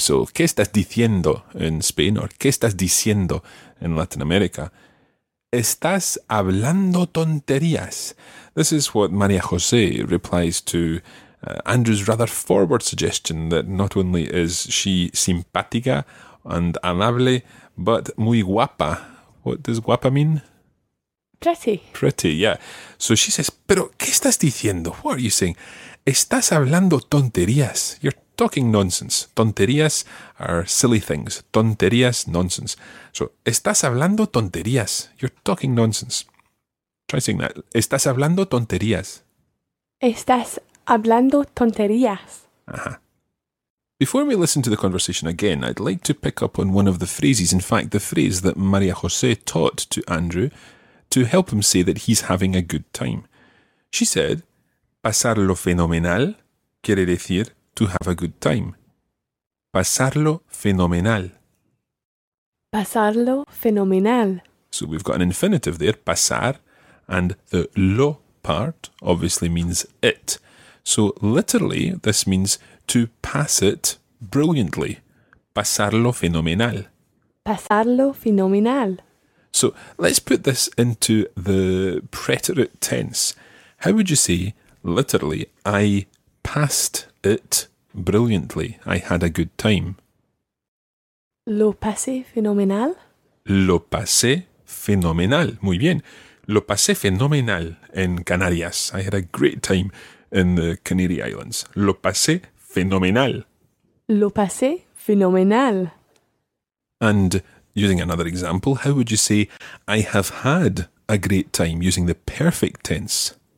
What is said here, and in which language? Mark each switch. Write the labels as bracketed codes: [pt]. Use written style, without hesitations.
[en] So, [es] ¿qué estás diciendo [en] in Spain? Or [es] ¿qué estás diciendo [en] in Latin America? [es] Estás hablando tonterías. [en] This is what María José replies to Andrew's rather forward suggestion that not only is she simpática and amable, but muy guapa. What does guapa mean? Pretty. Pretty, yeah. So she says, [es] pero ¿qué estás diciendo? [en] What are you saying? [es] Estás hablando tonterías. [en] You're talking nonsense. Tonterías are silly things. Tonterías, nonsense. [es] So, estás hablando tonterías. [en] You're talking nonsense. Try saying that. [es] Estás hablando tonterías. Estás hablando tonterías. Ajá. [en] Before we listen to the conversation again, I'd like to pick up on one of the phrases. In fact, the phrase that María José taught to Andrew to help him say that he's having a good time. She said, [es] pasarlo fenomenal quiere decir [en] to have a good time. [es] Pasarlo fenomenal. Pasarlo fenomenal. [en] So we've got an infinitive there, pasar, and the lo part obviously means it. So literally, this means to pass it brilliantly. [es] Pasarlo fenomenal. Pasarlo fenomenal. [en] So let's put this into the preterite tense. How would you say, literally, I passed it brilliantly? I had a good time. [es] Lo pasé fenomenal. Lo pasé fenomenal. Muy bien. Lo pasé fenomenal en Canarias. [en] I had a great time in the Canary Islands. [es] Lo pasé fenomenal. Lo pasé fenomenal. [en] And using another example, how would you say, I have had a great time, using the perfect tense?